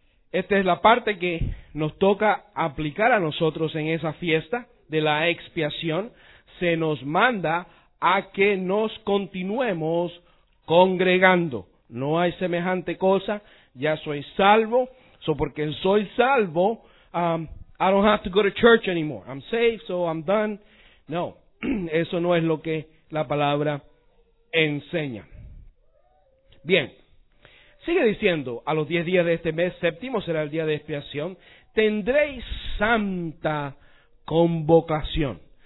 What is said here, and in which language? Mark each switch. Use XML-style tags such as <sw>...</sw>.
<es>Esta es la parte que nos toca aplicar a nosotros en esa fiesta de la expiación. Se nos manda a que nos continuemos congregando. No hay semejante cosa, ya soy salvo. Porque soy salvo,</es> <en>I don't have to go to church anymore. I'm saved, so I'm done.</en> <es>No, eso no es lo que la palabra enseña. Bien. Sigue diciendo, a los 10 días de este mes, séptimo será el día de expiación, tendréis santa convocación.</es>